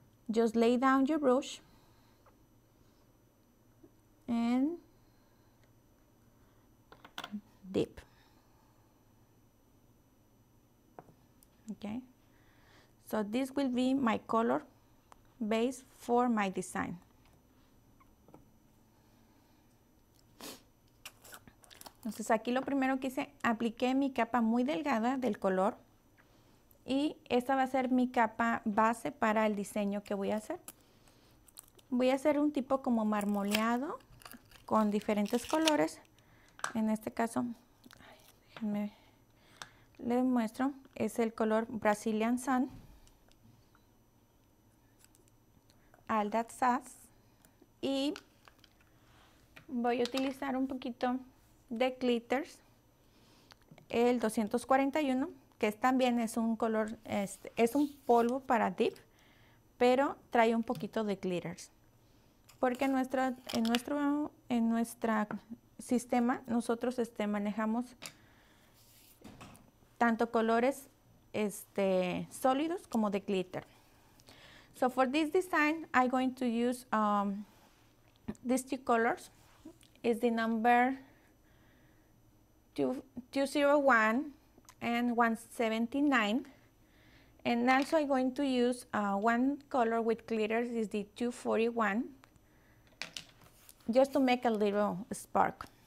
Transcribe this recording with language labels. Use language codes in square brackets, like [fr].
[en] Just lay down your brush and dip. Okay. So this will be my color base for my design. [es] Entonces aquí lo primero que hice, apliqué mi capa muy delgada del color y esta va a ser mi capa base para el diseño que voy a hacer. Voy a hacer un tipo como marmoleado con diferentes colores. En este caso, déjenme, les muestro, es el color Brazilian Sun. All That Sass. Y voy a utilizar un poquito de glitters, el 241, que es también es un color, es un polvo para dip, pero trae un poquito de glitters. Porque en nuestro sistema, nosotros manejamos tanto colores sólidos como de glitter. [en] So for this design, I'm going to use these two colors. It's the number 201 and 179. And also I'm going to use one color with glitters, is the 241, just to make a little spark.